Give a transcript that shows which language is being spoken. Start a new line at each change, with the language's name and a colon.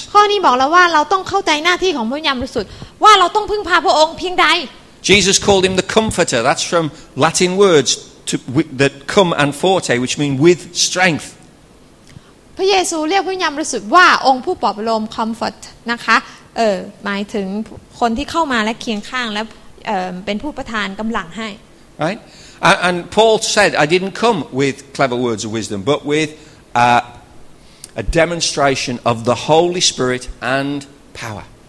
Thai: ข้อนี้บอกแล้วว่าเราต้องเข้าใจหน้าที่ของพระวิญญาณบริสุทธิ์ว่าเราต้องพึ่งพาพระองค์เพียงใด
English: Jesus called him the comforter that's from latin words to that cum and forte which mean with strength
Thai: พระเยซูเรียกพระวิญญาณบริสุทธิ์ว่าองค์ผู้ปลอบประโลม comfort นะคะหมายถึงคนที่เข้ามาและเคียงข้างและเป็นผู้ประทานกำลังให้
English: right and paul said I didn't come with clever words of wisdom but with a demonstration of the Holy Spirit and power.